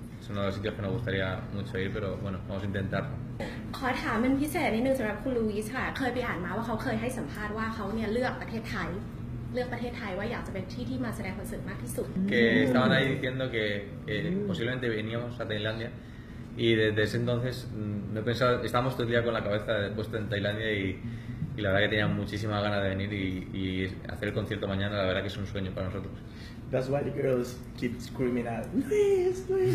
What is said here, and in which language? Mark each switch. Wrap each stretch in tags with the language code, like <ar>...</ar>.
<es>Es uno de los sitios que nos gustaría mucho ir, pero bueno, vamos a intentarlo.</es> <th>ขอถามเป็นพิเศษนิดนึงสำหรับคุณลูอิสค่ะเคยไปอ่านมาว่าเขาเคยให้สัมภาษณ์ว่าเขาเนี่ยเลือกประเทศไทยเลือกประเทศไทยว่าอยากจะเป็นที่ที่มาแสดงคอนเสิร์ตมากที่สุด</th> <es>Que estaban ahí diciendo que posiblemente veníamos a Tailandia y desde ese entonces me he pensado estábamos todo el día con la cabeza puesta en Tailandia y la verdad que tenía muchísimas ganas de venir y hacer el concierto mañana la verdad que es un sueño para nosotros.</es> <en>That's why the girls keep screaming out, Luis, Luis.</en>